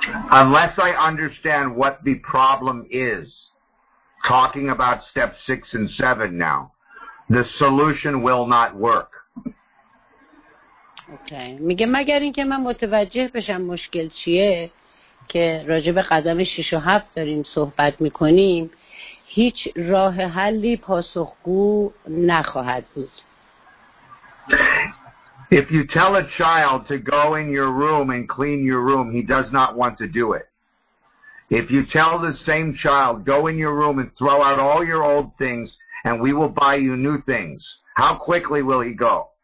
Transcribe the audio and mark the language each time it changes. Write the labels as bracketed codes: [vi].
[en] Unless I understand what the problem is, talking about step 6 and 7 now, the solution will not work. Okay. [fa] میگه مگر اینکه من متوجه بشم مشکل چیه که راجع به قدم 6 و 7 داریم صحبت میکنیم، هیچ راه حلی پاسخگو نخواهد بود. [en] If you tell a child to go in your room and clean your room, he does not want to do it. If you tell the same child, go in your room and throw out all your old things and we will buy you new things, how quickly will he go?